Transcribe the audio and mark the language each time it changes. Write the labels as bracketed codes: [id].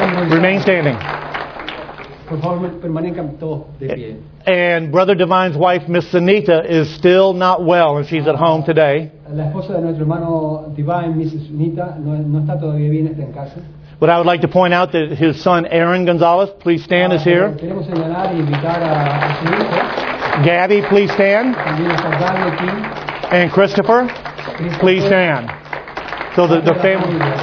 [en] Remain standing. And Brother Divine's wife, Miss Sunita, is still not well, and she's at home today. [es] La esposa de nuestro hermano Divine, Mrs. Nita, no está todavía bien, está en casa. [en] But I would like to point out that his son Aaron Gonzalez, please stand, is here. [es] Queremos señalar y invitar a su hijo. [en] Gabby, please stand. [es] También está Gabby aquí. [en] And Christopher, please stand. So the family.